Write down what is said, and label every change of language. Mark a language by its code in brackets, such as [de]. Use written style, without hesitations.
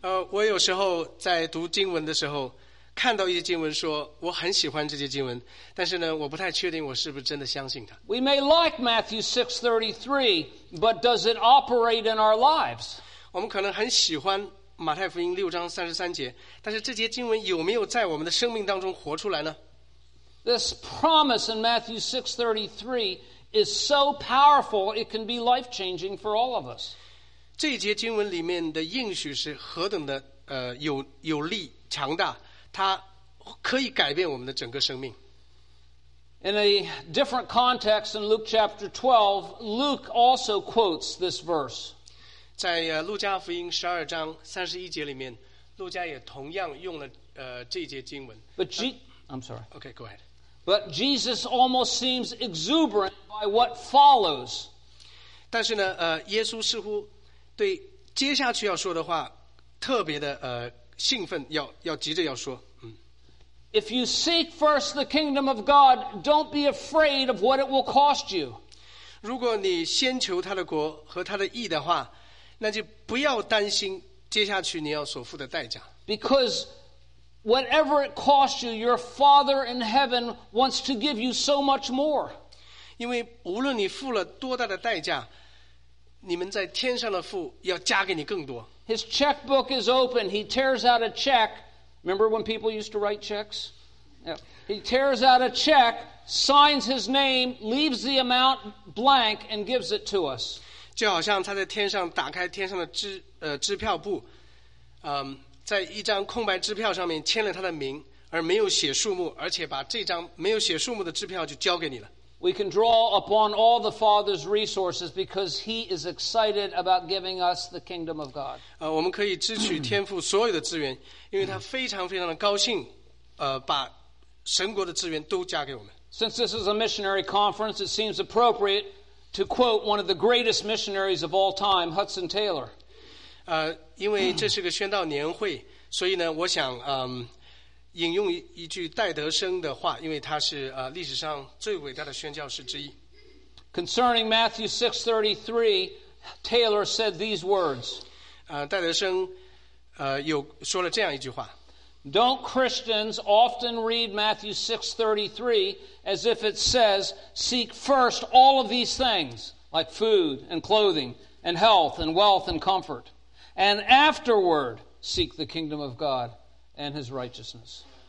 [zh] 我有时候在读经文的时候看到一些经文说我很喜欢这些经文，但是呢我不太确定我是不是真的相信它。 [en] We may like Matthew 6:33, but does it operate in our lives? [zh] 我们可能很喜欢马太福音六章三十三节，但是这节经文有没有在我们的生命当中活出来呢？ [en] This promise in Matthew 6:33 is so powerful it can be life-changing for all of us. [zh] 这节经文里面的应许是何等的有力强大，它可以改变我们的整个生命。 [en] In a different context in Luke chapter 12, Luke also quotes this verse. [zh] 在路加福音十二章三十一节里面，路加也同样用了这节经文。 [en] Okay, go ahead. But Jesus almost seems exuberant by what follows. [zh] 但是呢，耶稣似乎对接下去要说的话特别的兴奋，要急着要说。 [en] If you seek first the kingdom of God, don't be afraid of what it will cost you. [zh] 如果你先求他的国和他的义的话，那就不要担心接下去你要所付的代价。 [en] Because whatever it costs you, your Father in heaven wants to give you so much more. [zh] 因为无论你付了多大的代价，你们在天上的父要加给你更多。 [en] His checkbook is open. He tears out a check. Remember when people used to write checks? Yeah. He tears out a check, signs his name, leaves the amount blank, and gives it to us. [zh] 就好像他在天上打开天上的支票簿，在一张空白支票上面签了他的名，而没有写数目，而且把这张没有写数目的支票就交给你了。 [en] We can draw upon all the Father's resources because He is excited about giving us the kingdom of God. [zh] 我们可以支取天父所有的资源，因为他非常非常的高兴，把神国的资源都加给我们。 [en] Since this is a missionary conference, it seems appropriate. To quote one of the greatest missionaries of all time, Hudson Taylor. [zh] 因为这是个宣道年会，所以呢，我想引用 一句戴德生的话，因为他是历史上最伟大的宣教士之一。 [en] Concerning Matthew 6:33, Taylor said these words. [zh] 戴德生有说了这样一句话。 [en] Don't Christians often read Matthew 6:33 as if it says, seek first all of these things, like food and clothing and health and wealth and comfort, and afterward seek the kingdom of God and his righteousness.